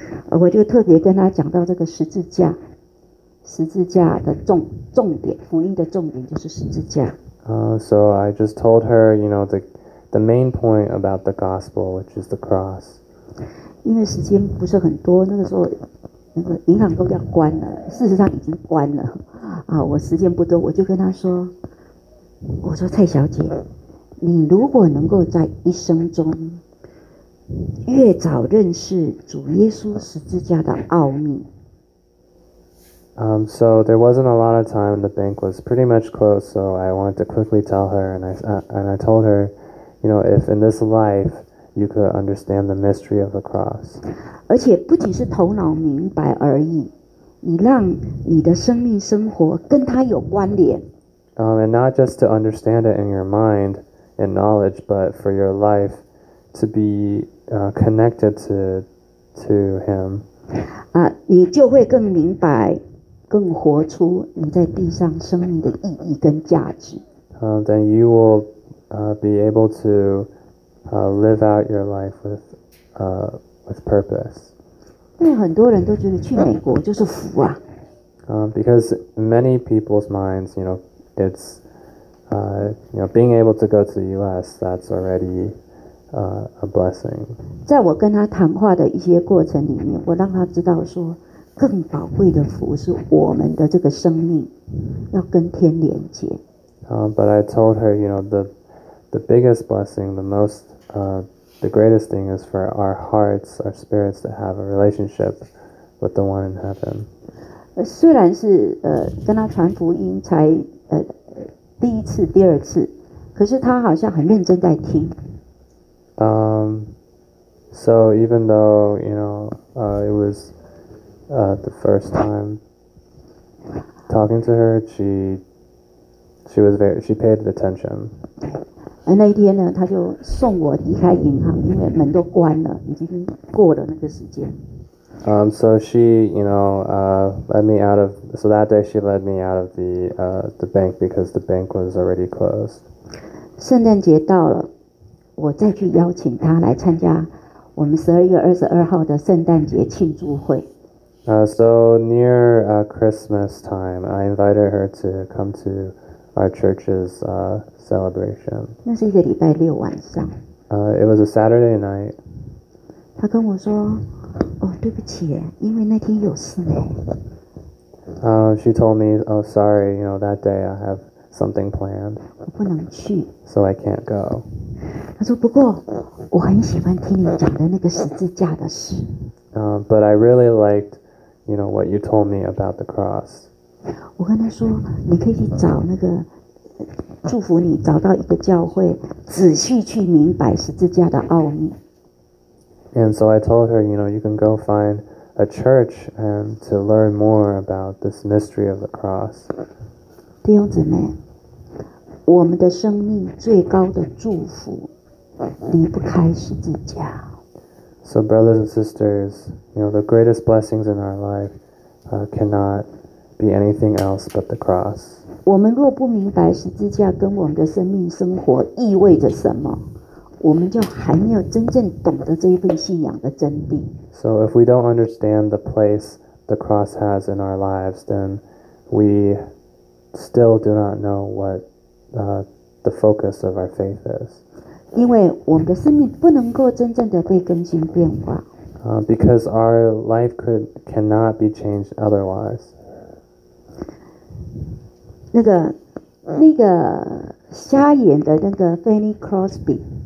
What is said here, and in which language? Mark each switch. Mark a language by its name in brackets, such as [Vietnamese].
[Chinese] 我就特别跟他讲到这个十字架，十字架的重点，福音的重点就是十字架。 [English] So I just told her, you know, the main point about the gospel, which is the cross. [Chinese] 因为时间不是很多，那个时候那个银行都要关了，事实上已经关了。我时间不多，我就跟他说，我说蔡小姐，你如果能够在一生中越早认识主耶稣十字架的奥秘。 [English] So there wasn't a lot of time. The bank was pretty much closed, so I wanted to quickly tell her, and I told her, you know, if in this life you could understand the mystery of the cross. [Chinese] 而且不仅是头脑明白而已，你让你的生命生活跟它有关联。 [English] And not just to understand it in your mind and knowledge, but for your life to be connected to him. [Chinese] 你就会更明白，更活出你在地上生命的意义跟价值。 [English] Then you will be able to live out your life with purpose. [Chinese] 但很多人都觉得去美国就是福啊。 [English] Because many people's minds, you know, it's you know, being able to go to the U.S. that's already a blessing. [Chinese] 在我跟他谈话的一些过程里面，我让他知道说，更宝贵的福是我们的这个生命要跟天连接。 [English] But I told her, you know, the biggest blessing, the most, the greatest thing is for our hearts, our spirits to have a relationship with the one in heaven. [Chinese] 虽然是跟他传福音才第一次、第二次，可是他好像很认真在听。 [English] So even though, you know, it was the first time talking to her, she paid attention. [Chinese] 那一天呢，他就送我离开银行，因为门都关了，已经过了那个时间。 [English] So she, you know, led me out of. So that day, she led me out of the bank because the bank was already closed. [Chinese] 圣诞节到了，我再去邀请他来参加我们12月22号的圣诞节庆祝会。 [English] So near Christmas time, I invited her to come to our church's celebration. [Chinese] 那是一个礼拜六晚上。 [English] It was a Saturday night. [Chinese] 他跟我说，哦，对不起，因为那天有事呢。 [English] She told me, oh, sorry, you know, that day I have something planned. [Chinese] 我不能去。 [English] So I can't go. [Chinese] 她说，不过我很喜欢听你讲的那个十字架的事。 [English] But I really liked, you know, what you told me about the cross. [Chinese] 我跟她说，你可以去找那个祝福你，找到一个教会，仔细去明白十字架的奥秘。 [English] And so I told her, you know, you can go find a church and to learn more about this mystery of the cross. [Chinese] 弟兄姊妹，我们的生命最高的祝福离不开十字架。 [English] So brothers and sisters, you know, the greatest blessings in our life cannot be anything else but the cross. [Chinese] 我们若不明白十字架跟我们的生命生活意味着什么，我们就还没有真正懂得这一份信仰的真谛。 [English] So if we don't understand the place the cross has in our lives, then we still do not know what the focus of our faith is. [Chinese] 因为我们的生命不能够真正的被更新变化。 [English] Because our life cannot be changed otherwise. [Chinese] 那个瞎眼的那个 Fanny Crosby。